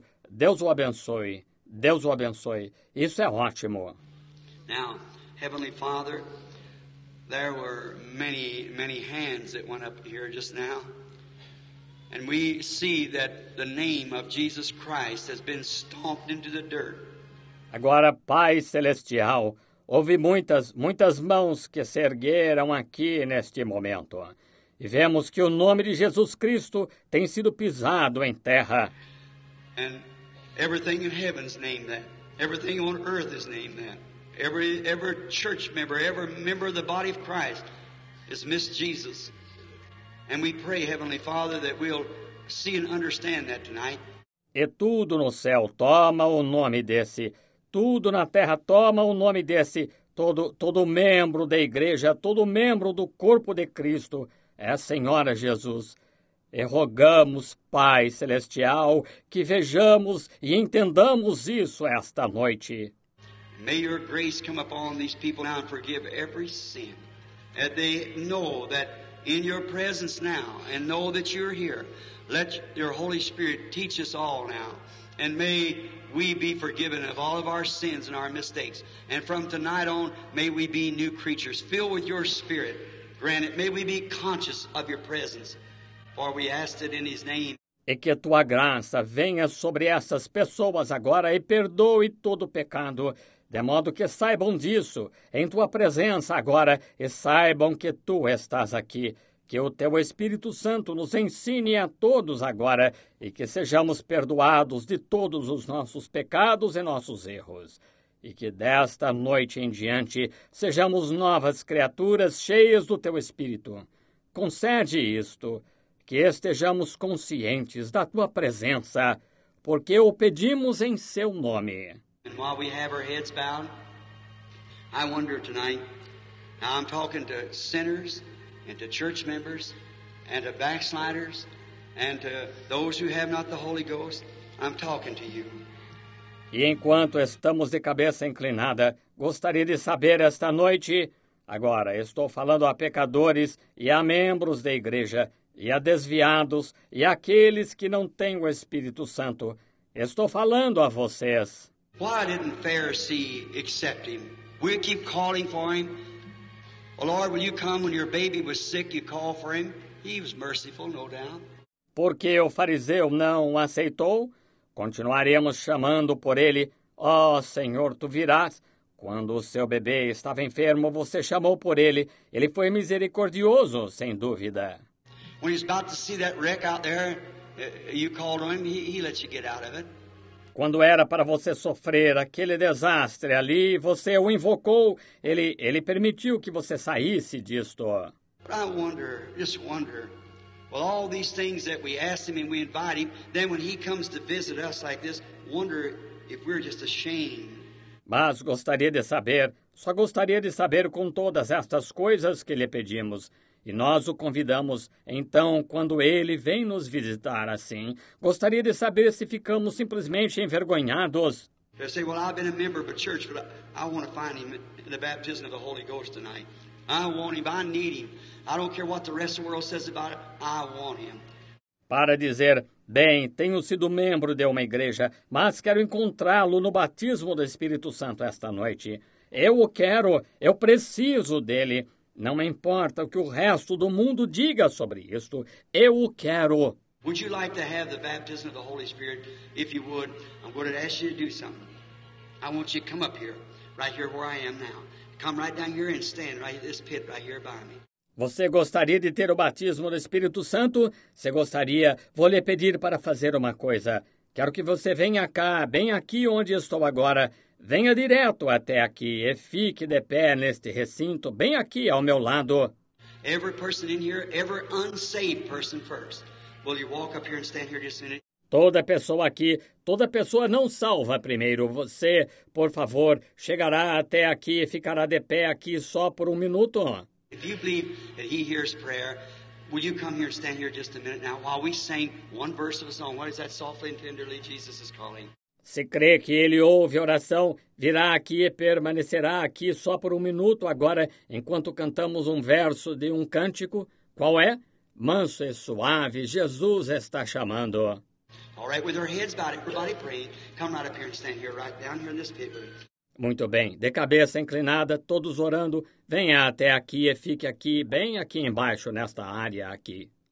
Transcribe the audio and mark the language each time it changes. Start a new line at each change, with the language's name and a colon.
Portuguese: Deus o abençoe, Deus o abençoe. Isso é ótimo.
English: Now, Heavenly Father, there were many, many hands that went up here just now. And we see that the name of Jesus Christ has been stomped into the dirt.
Portuguese: Agora, Pai Celestial, houve muitas, muitas mãos que se ergueram aqui neste momento. E vemos que o nome de Jesus Cristo tem sido pisado em terra.
English: And everything in heaven's named that. Everything on earth is named that. Every church member, every member of the body of Christ is Miss Jesus. And we pray, Heavenly Father, that we'll see and understand that tonight.
Portuguese: E tudo no céu toma o nome desse. Tudo na terra toma o nome desse. Todo membro da igreja, todo membro do corpo de Cristo é a Senhora Jesus. E rogamos, Pai Celestial, que vejamos e entendamos isso esta noite.
English: May your grace come upon these people now and forgive every sin. That they know that in your presence now and know that you're here. Let your Holy Spirit teach us all now. And may we be forgiven of all of our sins and our mistakes. And from tonight on, may we be new creatures, filled with your Spirit. Granted, may we be conscious of your presence. For we asked it in his name.
Portuguese: E que a tua graça venha sobre essas pessoas agora e perdoe todo o pecado, de modo que saibam disso em tua presença agora e saibam que tu estás aqui. Que o teu Espírito Santo nos ensine a todos agora e que sejamos perdoados de todos os nossos pecados e nossos erros. E que desta noite em diante sejamos novas criaturas cheias do teu Espírito. Concede isto. Que estejamos conscientes da tua presença, porque o pedimos em seu nome.
English: And while we have our heads bowed, I wonder tonight, now I'm talking to sinners and to church members and to backsliders and to those who have not the Holy Ghost, I'm talking to you.
Portuguese: E enquanto estamos de cabeça inclinada, gostaria de saber esta noite, agora estou falando a pecadores e a membros da igreja, e a desviados, e aqueles que não têm o Espírito Santo. Estou falando a vocês.
English: Why didn't Pharisee accept him? We keep calling for him. Oh, Lord, will you come when your baby was sick, you call for him? He was merciful, no doubt.
Portuguese: Por que o fariseu não o aceitou? Continuaremos chamando por ele. Oh, Senhor, tu virás. Quando o seu bebê estava enfermo, você chamou por ele. Ele foi misericordioso, sem dúvida.
English: When he's about to see that wreck out there, you called on him, he let you get out of it.
Portuguese: Quando era para você sofrer aquele desastre ali, você o invocou, ele permitiu que você saísse disto.
English: But I wonder, just wonder, well, all these things that we ask him and we invite him, then when he comes to visit us like this, wonder if we're just ashamed.
Portuguese: Mas gostaria de saber, só gostaria de saber com todas estas coisas que lhe pedimos. E nós o convidamos, então, quando ele vem nos visitar assim, gostaria de saber se ficamos simplesmente envergonhados. Eu sei,
English: well, I've been a member of a church, but I want to find him in the baptism of the Holy Ghost tonight. I want him, I need him. I don't care what the rest of the world says about it, I want him.
Portuguese: Para dizer, bem, tenho sido membro de uma igreja, mas quero encontrá-lo no batismo do Espírito Santo esta noite. Eu o quero, eu preciso dele. Não importa o que o resto do mundo diga sobre isto, eu o quero.
English: Would you like to have the baptism of the Holy Spirit? If you would, I'm going to ask you to do something. I want you to come up here, right here where I am now. Come right down here and stand right in this pit right here by me.
Portuguese: Você gostaria de ter o batismo no Espírito Santo? Se gostaria, vou lhe pedir para fazer uma coisa. Quero que você venha cá, bem aqui onde estou agora. Venha direto até aqui e fique de pé neste recinto, bem aqui ao meu lado.
English: Every person in here, every unsaved person first. Will you walk up here and stand here just a minute?
Portuguese: Toda pessoa aqui, toda pessoa não salva primeiro. Você, por favor, chegará até aqui e ficará de pé aqui só por um minuto.
English: If you believe that he hears prayer, will you come here and stand here just a minute now while we sing one verse of a song? What is that softly and tenderly Jesus is calling?
Portuguese: Se crê que ele ouve a oração, virá aqui e permanecerá aqui só por um minuto agora, enquanto cantamos um verso de um cântico. Qual é? Manso e suave, Jesus está chamando.
English: All right, with our heads bowed, everybody pray. Come right up here and stand here, right down here in this pit.
Portuguese: Muito bem, de cabeça inclinada, todos orando, venha até aqui e fique aqui, bem aqui embaixo, nesta área aqui.